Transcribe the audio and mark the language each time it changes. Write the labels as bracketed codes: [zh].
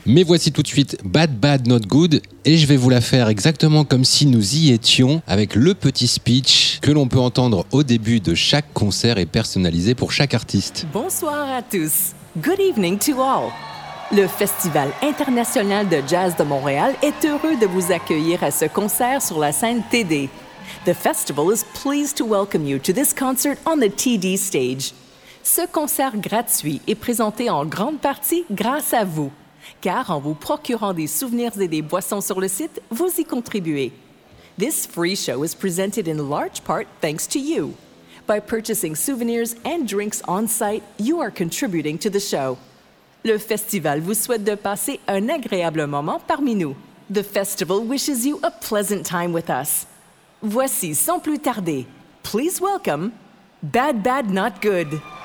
[fr] Mais voici tout de suite BADBADNOTGOOD, et je vais vous la faire exactement comme si nous y étions, avec le petit speech que l'on peut entendre au début de chaque concert et personnalisé pour chaque artiste. Bonsoir à tous. [en] Good evening to all. [fr] Le Festival international de jazz de Montréal est heureux de vous accueillir à ce concert sur la scène TD. [en] The festival is pleased to welcome you to this concert on the TD stage. [fr] Ce concert gratuit est présenté en grande partie grâce à vous, car en vous procurant des souvenirs et des boissons sur le site, vous y contribuez. [en] This free show is presented in large part thanks to you. By purchasing souvenirs and drinks on site, you are contributing to the show. [fr] Le festival vous souhaite de passer un agréable moment parmi nous. [en] The festival wishes you a pleasant time with us. [fr] Voici, sans plus tarder, [en] please welcome [fr] BADBADNOTGOOD.